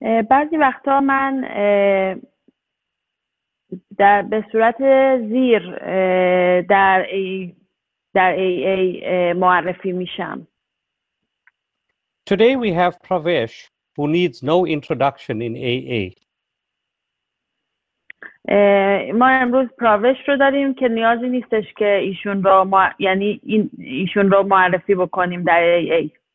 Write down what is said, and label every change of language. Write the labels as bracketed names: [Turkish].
[Persian] بعضی وقتا من در به صورت زیر در AA معرفی میشم. [English] Today we have Pravesh, who needs no introduction in AA. [Persian] ما امروز پراوش رو داریم که نیازی نیستش که ایشون رو ایشون رو معرفی بکنیم در AA.